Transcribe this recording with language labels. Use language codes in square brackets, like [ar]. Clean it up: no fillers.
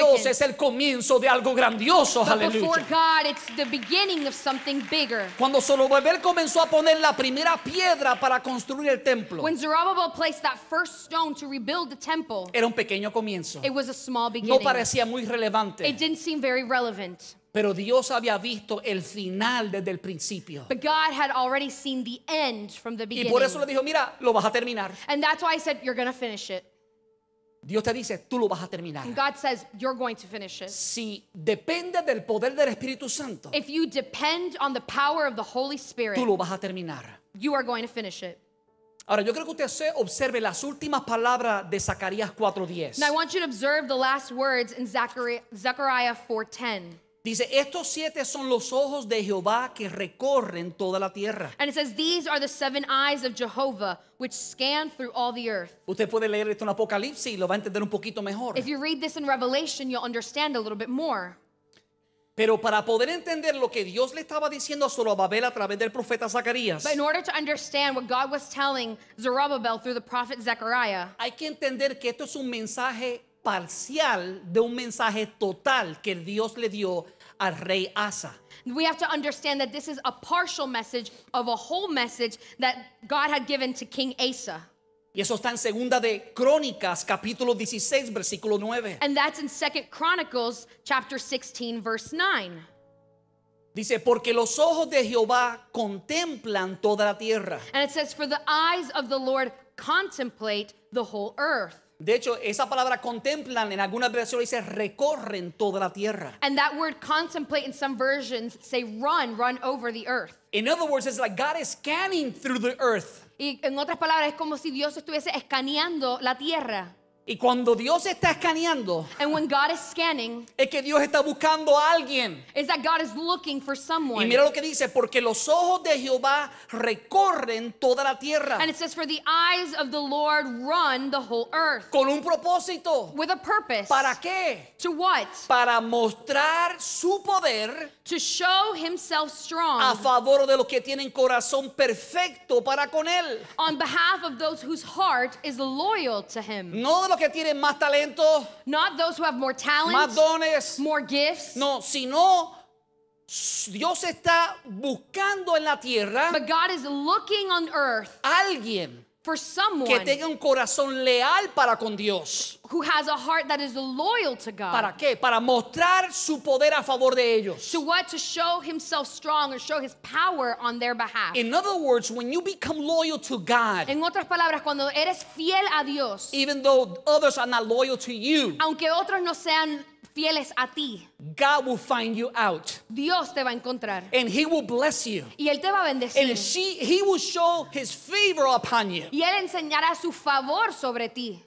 [es] Ante Dios es el comienzo de algo grandioso. [en] But [es] aleluya. [en] Before God it's the beginning of something bigger. [es] Cuando Zorobabel comenzó a poner la primera piedra para construir el templo, [en] when Zerubbabel placed that first stone to rebuild the temple, [es] era un pequeño comienzo. [en] It was a small beginning. [es] No parecía muy relevante. [en] It didn't seem very relevant. [es] Pero Dios había visto el final desde el principio. [en] But God had already seen the end from the beginning. [es] Y por eso le dijo, mira, lo vas a terminar. [en] And that's why I said, you're going to finish it. [es] Dios te dice, tú lo vas a terminar. [en] And God says, you're going to finish it. [es] Si depende del poder del Espíritu Santo, [en] if you depend on the power of the Holy Spirit, [es] tú lo vas a terminar. [en] You are going to finish it. [es] Ahora yo creo que usted observe las últimas palabras de Zacarías 4:10. [en] Now I want you to observe the last words in Zechariah 4:10. [es] Dice, estos siete son los ojos de Jehová que recorren toda la tierra. [en] And it says, these are the seven eyes of Jehovah which scan through all the earth. [es] Usted puede leer esto en Apocalipsis y lo va a entender un poquito mejor. [en] If you read this in Revelation, you'll understand a little bit more. [es] Pero para poder entender lo que Dios le estaba diciendo a Zorobabel a través del profeta Zacarías, [en] but in order to understand what God was telling Zerubbabel through the prophet Zechariah, [es] hay que entender que esto es un mensaje parcial de un mensaje total que Dios le dio al rey Asa. [en] We have to understand that this is a partial message of a whole message that God had given to King Asa. [es] Y eso está en Segunda de Crónicas, capítulo 16, versículo 9. [en] And that's in 2 Chronicles, chapter 16, verse 9. [es] Dice, porque los ojos de Jehová contemplan toda la tierra. [en] And it says, for the eyes of the Lord contemplate the whole earth. [es] De hecho, esa palabra contemplan, en algunas versiones dice, recorren toda la tierra. [en] And that word contemplate in some versions say, run over the earth. In other words, it's like God is scanning through the earth. [es] Y en otras palabras, es como si Dios estuviese escaneando la tierra. Y cuando Dios está escaneando, [en] and when God is scanning, [es] es que Dios está buscando a alguien. [en] Is that God is looking for someone. [es] Y mira lo que dice, porque los ojos de Jehová recorren toda la tierra. [en] And it says, for the eyes of the Lord run the whole earth. [es] Con un propósito. [en] With a purpose. [es] ¿Para qué? [en] To what? [es] Para mostrar su poder. [en] To show himself strong. [es] A favor de los que tienen corazón perfecto para con él. [en] On behalf of those whose heart is loyal to him. [es] No de los que tienen más talento. [en] Not those who have more talent. [es] Más dones. [en] More gifts. [es] No, sino Dios está buscando en la tierra. [en] But God is looking on earth. [es] Alguien. [en] For someone [es] que tenga un corazón leal para con Dios. [en] Who has a heart that is loyal to God. [es] ¿Para qué? Para mostrar su poder a favor de ellos. [en] To what? To show himself strong or show his power on their behalf. In other words, when you become loyal to God. [es] En otras palabras, cuando eres fiel a Dios. [en] Even though others are not loyal to you. [es] Aunque otros no sean fieles a ti. [en] God will find you out. [es] Dios te va a encontrar. [en] And he will bless you. [es] Y él te va a bendecir. [en] And he will show his favor upon you. [es] Y él enseñará su favor sobre ti.